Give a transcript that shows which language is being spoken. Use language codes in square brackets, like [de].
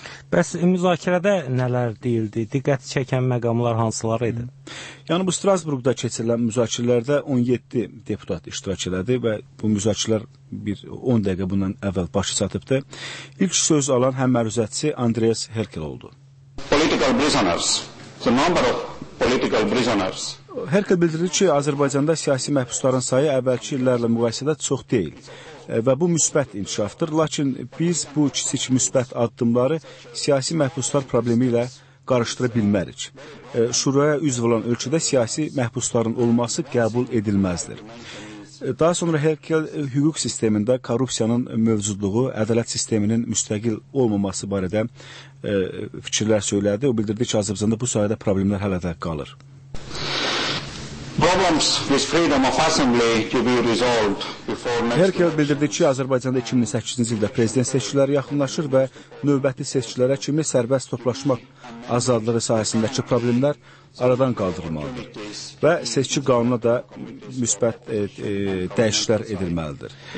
[az] Bəs müzakirədə nələr deyildi? Diqqət çəkən məqamlar hansılar idi? Yəni bu Strasburqda keçirilən müzakirələrdə 17 deputat iştirak elədi və bu müzakirələr bir 10 dəqiqə bundan əvvəl başa çatıbdı. İlk söz alan həm məruzətçi Andreas Herkel oldu. [en] Political prisoners. The number of political prisoners. [az] Herkel bildirdi ki, Azərbaycanda siyasi məhbusların sayı əvvəlki illərlə müqayisədə çox deyil və bu müsbət inkişafdır. Lakin biz bu kiçik müsbət addımları siyasi məhbuslar problemi ilə qarışdıra bilmərik. Şuraya üzv olan ölkədə siyasi məhbusların olması qəbul edilməzdir. Daha sonra Herkel hüquq sistemində korrupsiyanın mövcudluğu, ədalət sisteminin müstəqil olmaması barədə fikirlər söylədi. O bildirdi ki, Azərbaycanda bu sahədə problemlər hələ də qalır. [en] Problems with freedom of assembly to be resolved before next. [az] Herkel bildirdi ki, Azərbaycanda 2008-ci ildə prezident seçkiləri yaxınlaşır və növbəti seçkilərə kimi sərbəst toplaşmaq azadlığı sahəsindəki problemlər aradan qaldırılmalıdır və seçki qanuna da müsbət dəyişiklər edilməlidir.